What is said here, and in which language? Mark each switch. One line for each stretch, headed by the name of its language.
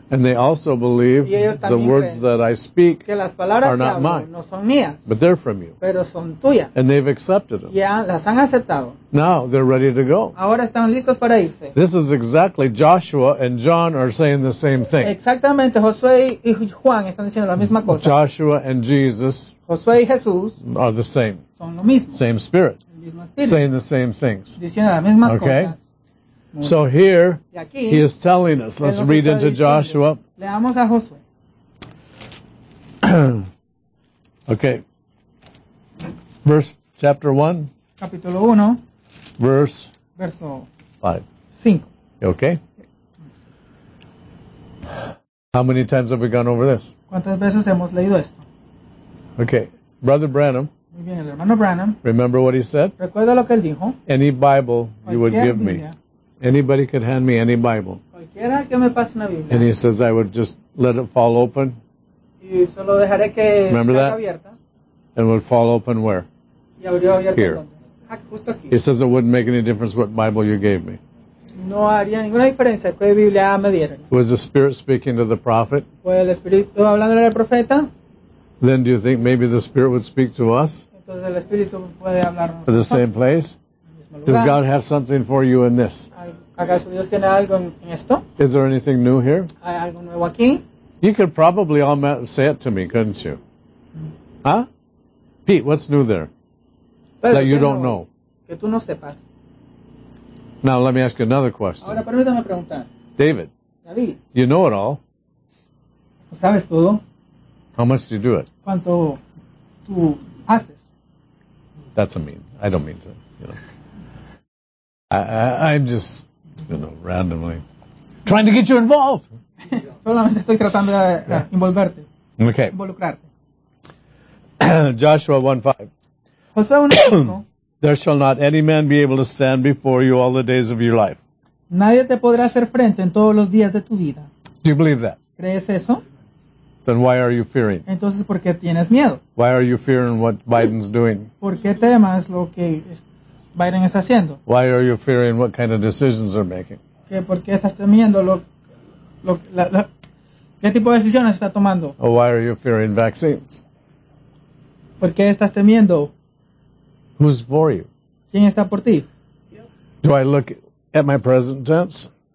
English: And they also believe the words that I speak
Spanish: que las palabras
English: are not
Spanish: que hablo,
English: mine,
Spanish: no son mías,
English: but they're from you.
Spanish: Pero son tuyas.
English: And they've accepted them.
Spanish: Ya las han aceptado.
English: Now they're ready to go.
Spanish: Ahora están listos para irse.
English: This is exactly Joshua and John are saying the same thing.
Spanish: Exactamente, Josué y Juan están diciendo la misma cosa.
English: Joshua and Jesus,
Spanish: Josué y Jesús,
English: are the same.
Spanish: Son lo mismo.
English: Same spirit.
Spanish: El mismo espíritu.
English: Saying the same things.
Spanish: Diciendo las mismas
English: okay?
Spanish: cosas.
English: So here,
Spanish: aquí,
English: he is telling us, let's read into Joshua.
Spanish: Leamos a Josué.
English: Okay. Verse, chapter 1.
Spanish: Capítulo 1. Verso 5. Okay.
English: How many times have we gone over this?
Spanish: ¿Cuántas veces hemos leído esto?
English: Okay. Brother Branham.
Spanish: Muy bien, el hermano Branham.
English: Remember what he said?
Spanish: ¿Recuerda lo que él dijo?
English: Any Bible you would give me. Anybody could hand me any Bible.
Spanish: Cualquiera que me pase una Biblia.
English: And he says, I would just let it fall open.
Spanish: Y solo dejaré que
English: remember
Spanish: caiga
English: that?
Spanish: Abierta.
English: And it would fall open where?
Spanish: Y abrió abierta
English: here.
Spanish: Justo aquí.
English: He says, it wouldn't make any difference what Bible you gave me.
Spanish: No haría ninguna diferencia qué Biblia me dieran.
English: Was the Spirit speaking to the prophet?
Spanish: ¿Fue el Espíritu hablando al profeta?
English: Then do you think maybe the Spirit would speak to us?
Spanish: Entonces el Espíritu puede hablar
English: to the same place? Does God have something for you in this?
Spanish: ¿Acaso Dios tiene algo en esto?
English: Is there anything new here?
Spanish: ¿Hay algo nuevo aquí?
English: You could probably all say it to me, couldn't you? Huh? Pete, what's new there?
Spanish: Pedro,
English: that you don't
Spanish: nuevo?
English: Know.
Spanish: Que tú no sepas.
English: Now let me ask you another question.
Spanish: Ahora permítame preguntar.
English: David.
Spanish: David.
English: You know it all.
Spanish: ¿Sabes todo?
English: How much do you do it?
Spanish: ¿Cuánto tú haces?
English: That's a mean. I don't mean to. You know. I'm just, you know, randomly trying to get you involved.
Spanish: Solamente estoy tratando de envolverte.
English: Okay.
Spanish: Involucrarte.
English: Joshua 1:5.
Spanish: Josué 1:5.
English: There shall not any man be able to stand before you all the days of your life.
Spanish: Nadie te podrá hacer frente en todos los días de tu vida.
English: Do you believe that?
Spanish: ¿Crees eso?
English: Then why are you fearing?
Spanish: Entonces, ¿por qué tienes miedo?
English: Why are you fearing what Biden's doing?
Spanish: ¿Por qué temas lo que Biden está haciendo?
English: Why are you fearing what kind of decisions they're making?
Spanish: ¿Qué, por qué estás temiendo qué tipo de decisiones está tomando?
English: Or why are you fearing vaccines?
Spanish: ¿Por qué estás temiendo?
English: Who's for you?
Spanish: ¿Quién está por ti?
English: Do I look at my present tense?